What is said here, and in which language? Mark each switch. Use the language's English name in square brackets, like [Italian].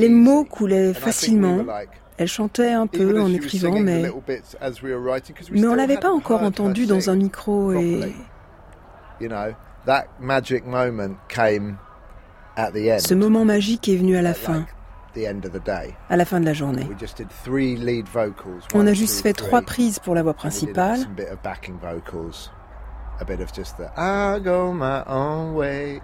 [French] Les mots coulaient facilement. Elle chantait un peu en écrivant, mais on l'avait pas encore entendu dans un micro et. [English] You know, that magic moment came at the end. [French] Ce moment magique est venu à la fin. [English] The end of the day. [French] À la fin de la journée. [English] We just did three lead vocals. [French] On a juste fait trois prises pour la voix principale. [English] Some bit of backing vocals. A bit of just the, I go my own way.